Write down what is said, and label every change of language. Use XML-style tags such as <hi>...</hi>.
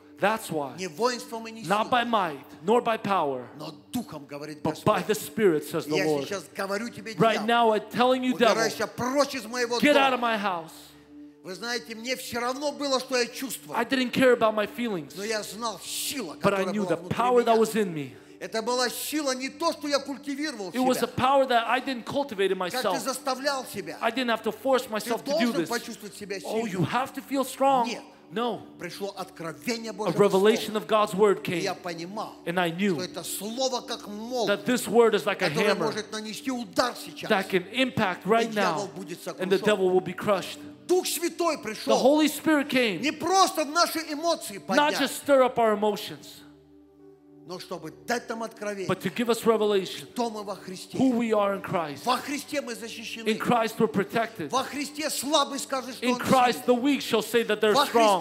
<en>That's why, not by might, nor by power, but by the Spirit, says the Lord. Right now, I'm telling you, devil, get out of my house.</en> <ru>Вы знаете, мне все равно было, что я чувствовал.</ru> <en>I didn't care about my feelings.</en> <ru>Но я знал силу, которая была внутри меня. Это была сила не то, что я культивировал себя.</ru> <en>It was a power that I didn't cultivate in myself.</en> <ru>Как ты заставлял себя?</ru> <en>I didn't have to force myself to do this.</en> <ru>Ты должен почувствовать себя сильным.</ru> <en>Oh, you have to feel strong.</en> <ru>Нет.</ru> <en>No.</en> <ru>Пришло откровение Божье.</ru> <en>A revelation of God's word came.</en> <ru>Я понимал.</ru> <en>And I knew.</en> <ru>Что это слово как молот.</ru> <en>That this word is like a hammer.</en> <ru>Которое может нанести удар сейчас.</ru> <en>That can impact right now.</en> <ru>И дьявол будет сокрушен.</ru> <en>And the devil will be crushed.</en> <ru>Дух Святой пришел.</ru> <en>The Holy Spirit came.</en> <ru>Не просто в наши эмоции поднять.</ru> <en>Not just stir up our emotions.</en> <ru>Но чтобы дать нам откровение.</ru> <en>But to give us revelation.</en> <ru>Кто мы во Христе?</ru> <en>Who we are in Christ.</en> <ru>Во Христе мы защищены.</ru> <en>In Christ we're protected.</en> <ru>Во Христе слабый скажет, что</ru> <en>In Christ the weak shall say that they're strong.</en>